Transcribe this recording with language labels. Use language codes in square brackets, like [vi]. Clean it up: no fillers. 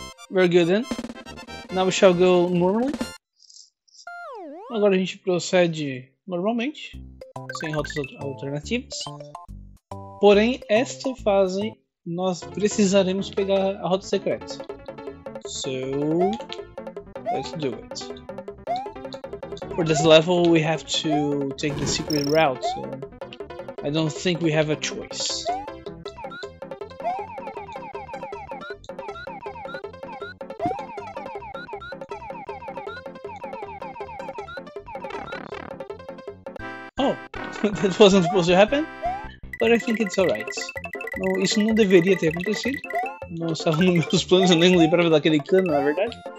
[en] Very good then. Now we shall go normally. [pt] Agora a gente procede normalmente, sem rotas alternativas. Porém, esta fase nós precisaremos pegar a rota secreta. [en] So, let's do it. For this level, we have to take the secret route. So I don't think we have a choice. Oh, that wasn't supposed to happen, but I think it's alright. [pt] Não, isso não deveria ter acontecido. Não estava nos meus planos, eu nem lembrava daquele cano, na verdade.